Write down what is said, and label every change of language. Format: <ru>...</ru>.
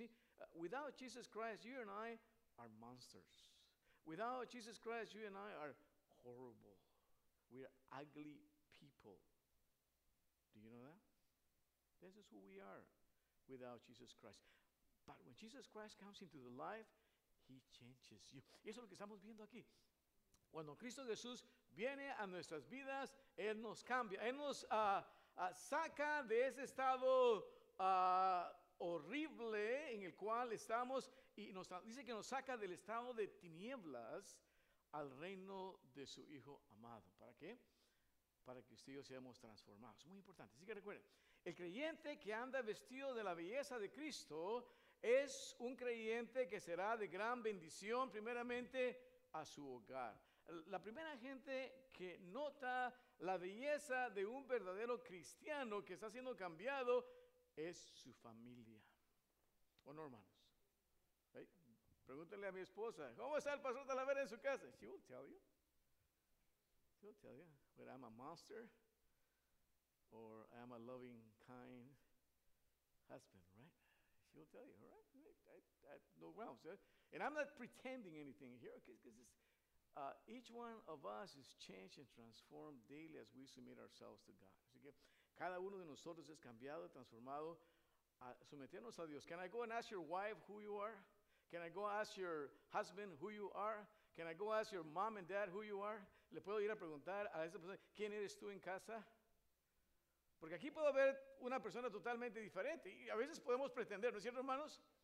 <en>See, without Jesus Christ, you and I are monsters. Without Jesus Christ, you and I are horrible. We are ugly people. Do you know that? This is who we are without Jesus Christ. But when Jesus Christ comes into the life, He changes you.</en> <es>Y eso es lo que estamos viendo aquí. Cuando Cristo Jesús viene a nuestras vidas, Él nos cambia. Él nos saca de ese estado horrible en el cual estamos y nos dice que nos saca del estado de tinieblas al reino de su Hijo amado. ¿Para qué? Para que usted y yo seamos transformados. Muy importante. Así que recuerden, el creyente que anda vestido de la belleza de Cristo es un creyente que será de gran bendición primeramente a su hogar. La primera gente que nota la belleza de un verdadero cristiano que está siendo cambiado es su familia. ¿O no, hermanos? ¿Eh? Pregúntale a mi esposa, ¿cómo está el pastor Talavera en su casa?</es> <en>She will tell you. She will tell you whether I'm a monster or I'm a loving, kind husband, right? She will tell you, all right? No grounds. And I'm not pretending anything here, because each one of us is changed and transformed daily as we submit ourselves to God.</en> <es>Así que cada uno de nosotros es cambiado, transformado, a someternos a Dios.</es> <en>Can I go and ask your wife who you are? Can I go ask your husband who you are? Can I go ask your mom and dad who you are?</en> <es>¿Le puedo ir a preguntar a esa persona quién eres tú en casa? Porque aquí puedo ver una persona totalmente diferente. Y a veces podemos pretender, ¿no es cierto, hermanos?</es>